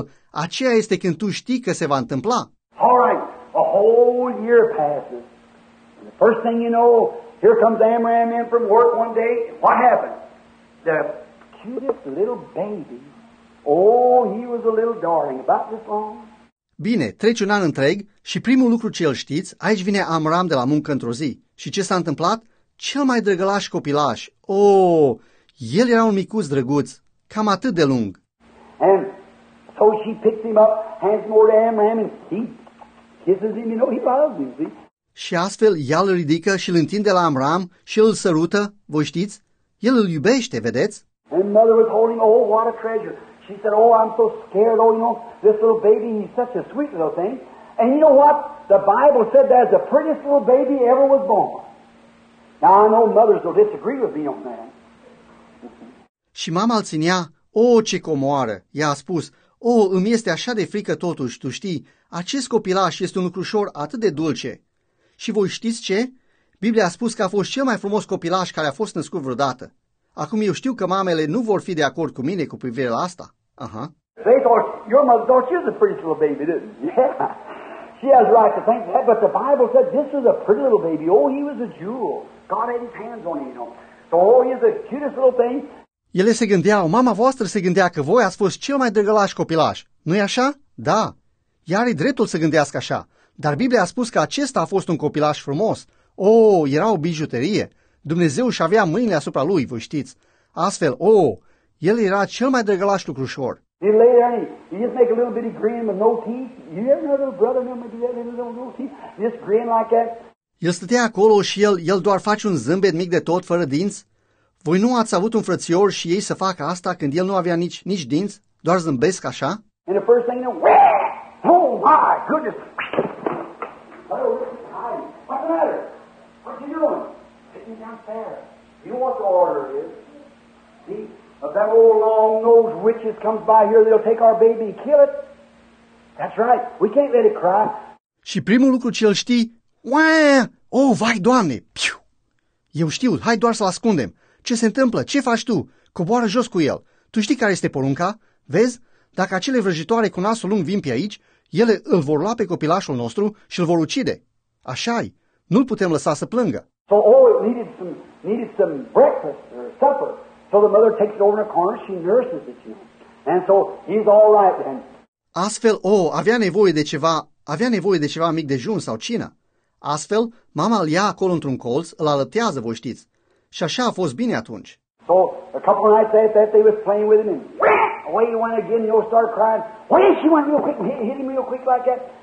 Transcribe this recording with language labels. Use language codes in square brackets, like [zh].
[ro] Aceea este când tu știi că se va întâmpla. [en] All right, a whole year passes. And the first thing you know, here comes Amram in from work one day. What happened? The cutest little baby. Oh, he was a little darling, about this long. [ro] Bine, trece un an întreg și primul lucru ce îl știți, aici vine Amram de la muncă într-o zi. Și ce s-a întâmplat? Cel mai drăgălaș copilaș. Oh, el era un micuț drăguț, cam atât de lung. [en] And so she picks him up, hands him over to Amram and he kisses him, you know, he loves him, see? [ro] Și astfel ea îl ridică și îl întinde la Amram și îl sărută, voi știți? El îl iubește, vedeți? [en] And mother was holding, oh, what a treasure. She said, oh, I'm so scared, oh, you know, this little baby, he's such a sweet little thing. And you know what? The Bible said that's the prettiest little baby ever was born. Now, I know mothers will disagree with me on that. [ro] Și mama îl ținea, oh, ce comoară! Ea a spus, oh, îmi este așa de frică totuși, tu știi, acest copilaș este un lucrușor atât de dulce. Și voi știți ce? Biblia a spus că a fost cel mai frumos copilaș care a fost născut vreodată. Acum eu știu că mamele nu vor fi de acord cu mine cu privire la asta. Aha. [en] They thought your mother thought she was a pretty little baby, didn't she? Yeah. She has right to think that, but the Bible said this was a pretty little baby. Oh, he was a jewel. God had his hands on him, you know. So, oh, he's the cutest little thing. [ro] Ele se gândeau, mama voastră se gândea că voi ați fost cel mai drăgălaș copilaș. Nu-i așa? Da. Ea are dreptul să gândească așa. Dar Biblia a spus că acesta a fost un copilaș frumos. Oh, era o bijuterie. Dumnezeu și avea mâinile asupra lui, voi știți. Astfel, oh, el era cel mai drăgălaș lucrușor. [en] He lay there and he just make a little bitty grin with no teeth. You ever know a little brother and him do that little no teeth? Just grin like that. [ro] El stătea acolo și el doar face un zâmbet mic de tot, fără dinți? Voi nu ați avut un frățior și ei să facă asta când el nu avea nici dinți? Doar zâmbesc așa? [en] And the first thing, oh my goodness! Oh, hi! What's the matter? What are you doing? Sitting down there. You know what the order is? See, if that old long-nosed witch comes by here, they'll take our baby and kill it. That's right. We can't let it cry. [ro] Și primul lucru ce îl știi... Uau! Oh, vai, Doamne! Piu! Eu știu, hai doar să-l ascundem. Ce se întâmplă? Ce faci tu? Coboară jos cu el. Tu știi care este porunca? Vezi? Dacă acele vrăjitoare cu nasul lung vin pe aici, ele îl vor lua pe copilașul nostru și îl vor ucide. Așa-i. Nu-l putem lăsa să plângă. [en] So, oh, it needed some breakfast or supper. So the mother takes it over in a corner, she nurses it, you know. And so he's all right then. [ro] Astfel, oh, avea nevoie de ceva mic dejun sau cină. Astfel, mama îl ia acolo într-un colț, îl alăptează, voi știți. Și așa a fost bine atunci. [en] So, a couple of nights after that, they was playing with him. Away he went again, he'll start crying. Why did she want real quick and hit him real quick like that?